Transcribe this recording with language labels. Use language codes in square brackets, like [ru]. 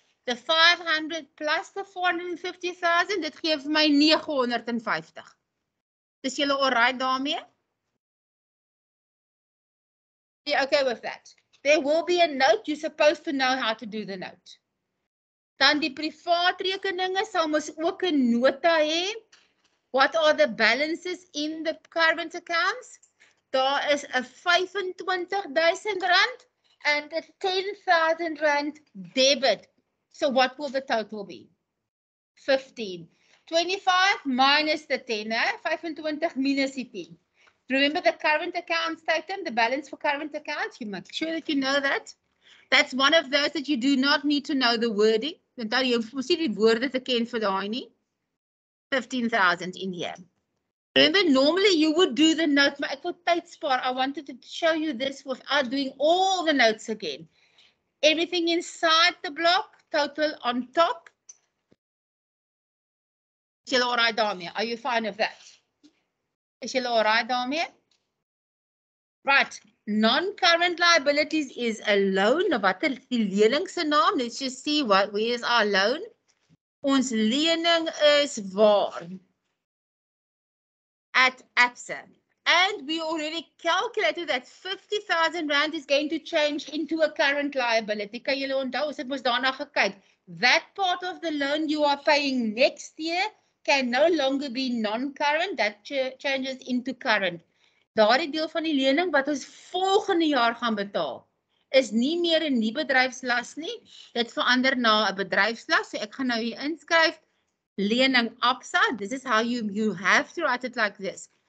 [en] The 500 plus the 450,000, that gives my 950. [af] Is jylle all right daarmee? [en] Yeah, okay with that. There will be a note. You're supposed to know how to do the note. [af] Dan die privaat rekeninge sal mos ook 'n nota hê. [en] What are the balances in the current accounts? [af] Daar is [en] a 25,000 rand and a 10,000 rand debit. So what will the total be? 15. 25 minus the 10, eh? 25 minus the 10. Remember the current account statement, the balance for current accounts? You make sure that you know that. That's one of those that you do not need to know the wording. [af] Dan daar jy moet die woorde te ken vir daai nie. [en] 15,000 in here. Remember, normally you would do the note, [af] maar ek wil tyd spaar. [en] I wanted to show you this without doing all the notes again. Everything inside the block, total on top. [af] Is jy alright daarmee? [en] Are you fine with that? [af] Is jy alright daarmee? [en] Right, non-current liabilities is a loan. [af] Wat is die lening se naam? [en] Let's just see what, where is our loan? [af] Ons lening is waar? [en] At APSA. And we already calculated that 50,000 rand is going to change into a current liability. [af] Kan jy onthou, ons het mos daarna gekyk. [en] That part of the loan you are paying next year can no longer be non-current, that changes into current. [af] Daardie deel van die lening wat ons volgende jaar gaan betaal, is nie meer 'n nie bedryfslas nie. Dit verander na 'n bedryfslas. So ek gaan nou hier inskryf lening APSA. [en] This is how you have to write it like this.